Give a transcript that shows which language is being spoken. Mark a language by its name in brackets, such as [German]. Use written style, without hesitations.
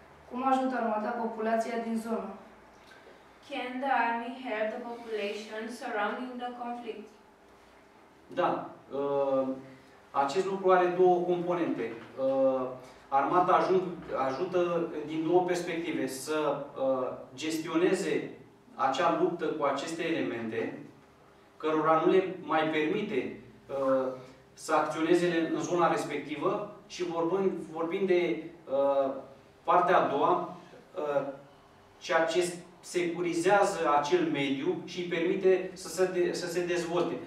[Romanian] Cum ajută armata populația din zonă? [English] Can the army help the population surrounding the conflict? [Romanian] Da. Acest lucru are două componente. Armata ajută din două perspective să gestioneze acea luptă cu aceste elemente cărora nu le mai permite să acționeze în zona respectivă și vorbind de partea a doua, ceea ce securizează acel mediu și îi permite să se dezvolte.